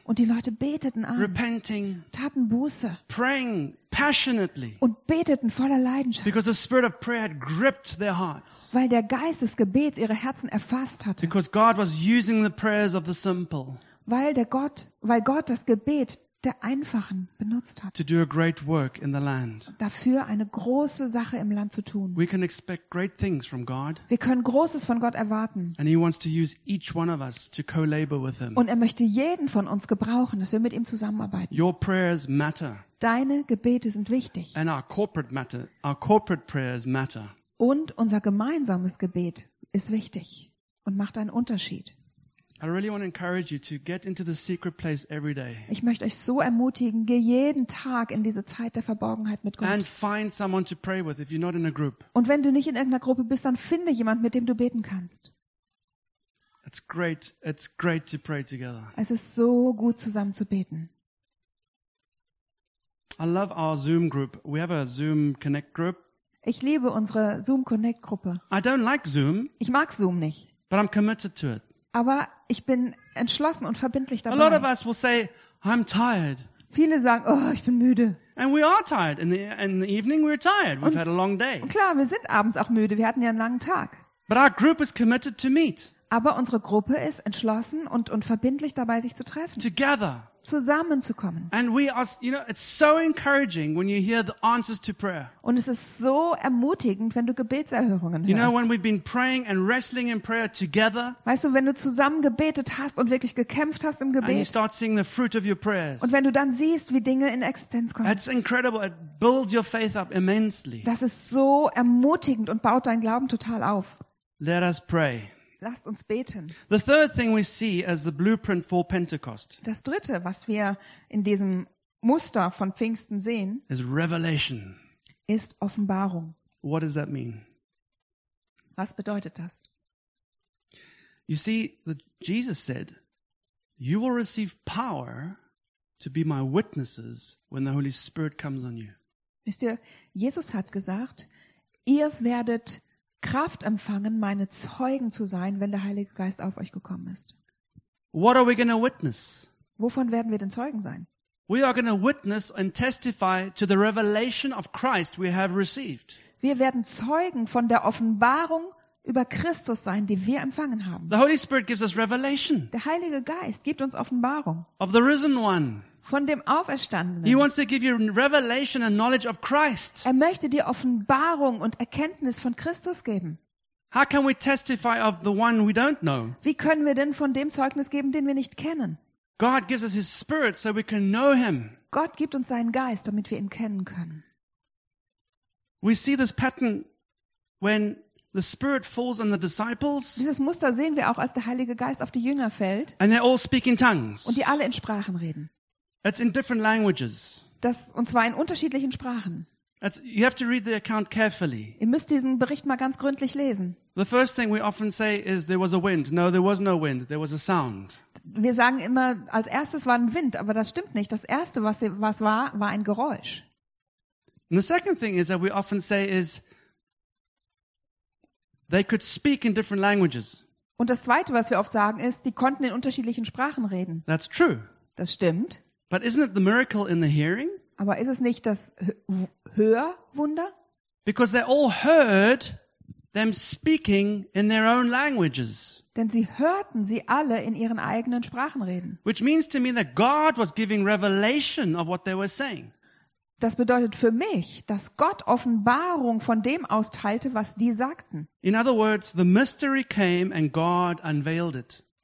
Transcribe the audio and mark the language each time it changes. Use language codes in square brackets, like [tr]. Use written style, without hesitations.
[de] Und die Leute beteten an. [en] Repenting. [de] Taten Buße. [en] Praying passionately. [de] Und beteten voller Leidenschaft. [en] Because the spirit of prayer had gripped their hearts. [de] Weil der Geist des Gebets ihre Herzen erfasst hatte. [en] Because God was using the prayers of the simple. [de] Weil Gott das Gebet der Einfachen benutzt hat, [en] to do a great work in the land. [de] Dafür eine große Sache im Land zu tun. [en] We can expect great things from God. [de] Wir können Großes von Gott erwarten. [en] And he wants to use each one of us to co-labor with him. [de] Und er möchte jeden von uns gebrauchen, dass wir mit ihm zusammenarbeiten. [en] Your prayers matter. [de] Deine Gebete sind wichtig. [en] And our corporate prayers matter. [de] Und unser gemeinsames Gebet ist wichtig und macht einen Unterschied. [en] I really want to encourage you to get into the secret place every day. [de] Ich möchte euch so ermutigen, geh jeden Tag in diese Zeit der Verborgenheit mit Gott. [en] And find someone to pray with if you're not in a group. [de] Und wenn du nicht in irgendeiner Gruppe bist, dann finde jemand, mit dem du beten kannst. [en] It's great to pray together. [de] Es ist so gut, zusammen zu beten. [en] I love our Zoom group. We have a Zoom Connect group. [de] Ich liebe unsere Zoom Connect Gruppe. [en] I don't like Zoom. [de] Ich mag Zoom nicht. [en] But I'm committed to it. [de] Aber ich bin entschlossen und verbindlich dabei. [en] A lot of us will say, I'm tired. [de] Viele sagen, oh, ich bin müde. [en] And we are tired. In the evening we're tired. We've had a long day. [de] Klar, wir sind abends auch müde. Wir hatten ja einen langen Tag. [en] But our group is committed to meet. [de] Aber unsere Gruppe ist entschlossen und verbindlich dabei, sich zu treffen. [en] Together. [de] Zusammenzukommen. [en] And we are, you know, it's so encouraging when you hear the answers to prayer. [de] Und es ist so ermutigend, wenn du Gebetserhörungen hörst. [en] You know, when we've been praying and wrestling in prayer together. [de] Weißt du, wenn du zusammen gebetet hast und wirklich gekämpft hast im Gebet. [en] And you start seeing the fruit of your prayers. [de] Und wenn du dann siehst, wie Dinge in Existenz kommen. [en] It's incredible. It builds your faith up immensely. [de] Das ist so ermutigend und baut deinen Glauben total auf. [en] Let us pray. [de] Lasst uns beten. [en] The third thing we see as the blueprint for Pentecost. [de] Das dritte, was wir in diesem Muster von Pfingsten sehen, [en] is revelation. [de] Ist Offenbarung. [en] What does that mean? [de] Was bedeutet das? [en] You see, Jesus said, "You will receive power to be my witnesses when the Holy Spirit comes on you." [de] Wisst ihr, Jesus hat gesagt, ihr werdet Kraft empfangen, meine Zeugen zu sein, wenn der Heilige Geist auf euch gekommen ist. [en] What are we going to witness? [de] Wovon werden wir denn Zeugen sein? [en] We are going to witness and testify to the revelation of Christ we have received. [de] Wir werden Zeugen von der Offenbarung über Christus sein, die wir empfangen haben. [en] The Holy Spirit gives us revelation. [de] Der Heilige Geist gibt uns Offenbarung. [en] Of the risen one. [de] Von dem Auferstandenen. [en] He wants to give you revelation and knowledge of Christ. [de] Er möchte dir Offenbarung und Erkenntnis von Christus geben. [en] How can we testify of the one we don't know? [de] Wie können wir denn von dem Zeugnis geben, den wir nicht kennen? [en] God gives us his spirit so we can know him. [de] Gott gibt uns seinen Geist, damit wir ihn kennen können. [en] We see this pattern when the spirit falls on the disciples. [de] Dieses Muster sehen wir auch, als der Heilige Geist auf die Jünger fällt. [en] And they all speak in tongues. [de] Und die alle in Sprachen reden. [en] It's in different languages. [de] Das und zwar in unterschiedlichen Sprachen. [en] You have to read the account carefully. [de] Ihr müsst diesen Bericht mal ganz gründlich lesen. [en] The first thing we often say is there was a wind. No, there was no wind. There was a sound. [de] Wir sagen immer als erstes war ein Wind, aber das stimmt nicht. Das erste, was war, war ein Geräusch. [en] And the second thing is that we often say is they could speak in different languages. [de] Und das Zweite, was wir oft sagen, ist, die konnten in unterschiedlichen Sprachen reden. [en] That's true. [de] Das stimmt. [en] But isn't it the miracle in the hearing? [de] Aber ist es nicht das Hörwunder? [en] Because they all heard them speaking in their own languages. [de] Denn sie hörten sie alle in ihren eigenen Sprachen reden. [en] Which means to me that God was giving revelation of what they were saying. [de] Das bedeutet für mich, dass Gott Offenbarung von dem austeilte, was die sagten. [en] In other words, the mystery came and God unveiled it.